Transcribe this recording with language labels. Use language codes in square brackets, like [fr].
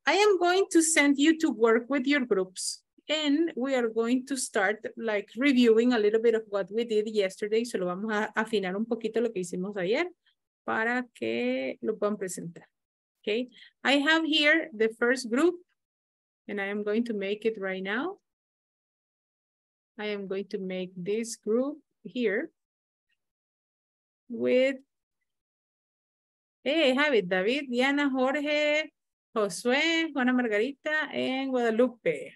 [en] I am going to send you to work with your groups. And we are going to start like reviewing a little bit of what we did yesterday. [es] Solo vamos a afinar un poquito lo que hicimos ayer para que lo puedan presentar. [en] Okay. I have here the first group and I am going to make it right now. I am going to make this group here with, hey, have it, David, Diana, Jorge, Josué, Juana Margarita, and Guadalupe.